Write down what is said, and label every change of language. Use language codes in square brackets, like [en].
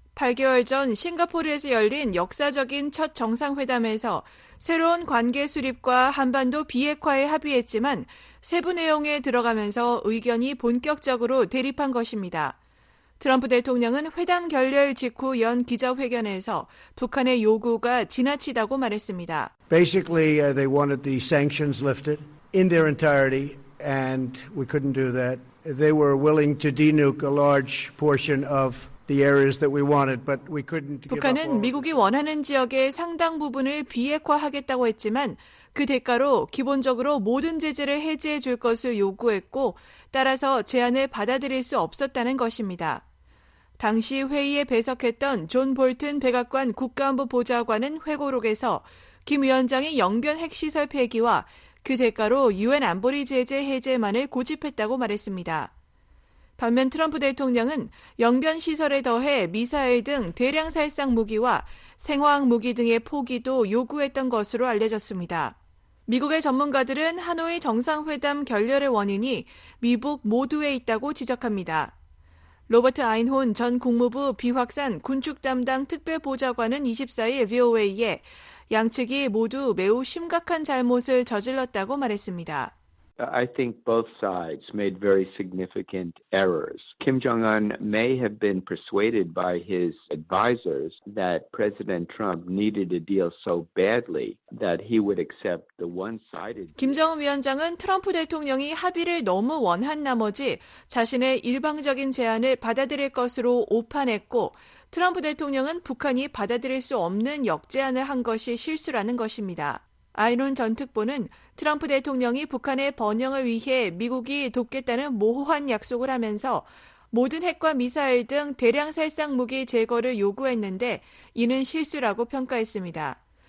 [ko] 8개월 전 싱가포르에서 열린 역사적인 첫 정상회담에서 새로운 관계 수립과 한반도 비핵화에 합의했지만 세부 내용에 들어가면서 의견이 본격적으로 대립한 것입니다. 트럼프 대통령은 회담 결렬 직후 연 기자회견에서 북한의 요구가 지나치다고 말했습니다. [en] Basically, they wanted the sanctions lifted in their entirety, and we couldn't do that. They were willing to denuke a large portion of the areas that we wanted, but we couldn't. [ko] 북한은 미국이 원하는 지역의 상당 부분을 비핵화하겠다고 했지만 그 대가로 기본적으로 모든 제재를 해제해 줄 것을 요구했고 따라서 제안을 받아들일 수 없었다는 것입니다. 당시 회의에 배석했던 존 볼튼 백악관 국가안보 보좌관은 회고록에서 김 위원장이 영변 핵시설 폐기와 그 대가로 유엔 안보리 제재 해제만을 고집했다고 말했습니다. 반면 트럼프 대통령은 영변 시설에 더해 미사일 등 대량 살상 무기와 생화학 무기 등의 포기도 요구했던 것으로 알려졌습니다. 미국의 전문가들은 하노이 정상회담 결렬의 원인이 미북 모두에 있다고 지적합니다. 로버트 아인혼 전 국무부 비확산 군축 담당 특별보좌관은 24일 VOA에 양측이 모두 매우 심각한 잘못을 저질렀다고 말했습니다. [en] I think both sides made very significant errors. Kim Jong-un may have been persuaded by his advisors that President Trump needed a deal so badly that he would accept the one-sided. [ko] 김정은 위원장은 트럼프 대통령이 합의를 너무 원한 나머지 자신의 일방적인 제안을 받아들일 것으로 오판했고 트럼프 대통령은 북한이 받아들일 수 없는 역제안을 한 것이 실수라는 것입니다. 아이론 전 특보는 트럼프 대통령이 북한의 번영을 위해 미국이 돕겠다는 모호한 약속을 하면서 모든 핵과 미사일 등 대량 살상 무기 제거를 요구했는데 이는 실수라고 평가했습니다.